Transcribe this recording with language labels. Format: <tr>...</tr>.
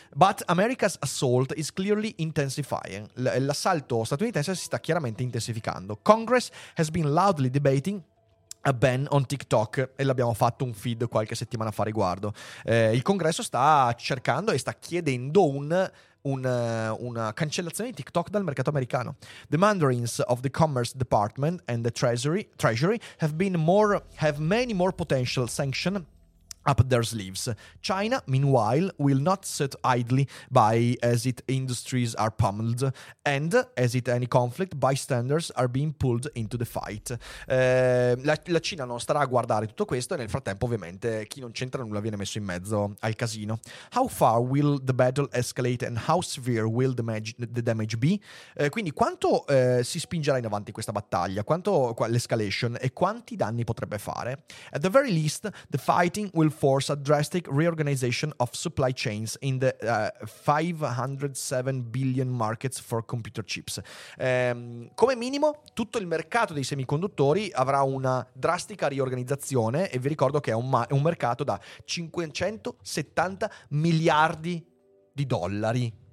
<en>But America's assault is clearly intensifying.</en> <it>L'assalto statunitense si sta chiaramente intensificando.</it> <en>Congress has been loudly debating a Ben on TikTok</en> <it>e l'abbiamo fatto un feed qualche settimana fa riguardo. Il congresso sta cercando e sta chiedendo una cancellazione di TikTok dal mercato americano.</it> <en>The mandarins of the Commerce Department and the Treasury have many more potential sanctions up their sleeves. China, meanwhile, will not sit idly by as its industries are pummeled and, as it any conflict, bystanders are being pulled into the fight.</en> <it>La Cina non starà a guardare tutto questo e nel frattempo, ovviamente, chi non c'entra nulla viene messo in mezzo al casino.</it> <en>How far will the battle escalate and how severe will the damage be?</en> <it>Quindi, quanto si spingerà in avanti questa battaglia? Quanto l'escalation e quanti danni potrebbe fare?</it> <en>At the very least, the fighting will force a drastic reorganization of supply chains in the 507 billion markets for computer chips.</en> <it>Come minimo, tutto il mercato dei semiconduttori avrà una drastica riorganizzazione e vi ricordo che è un mercato da 570 miliardi di dollari.</it>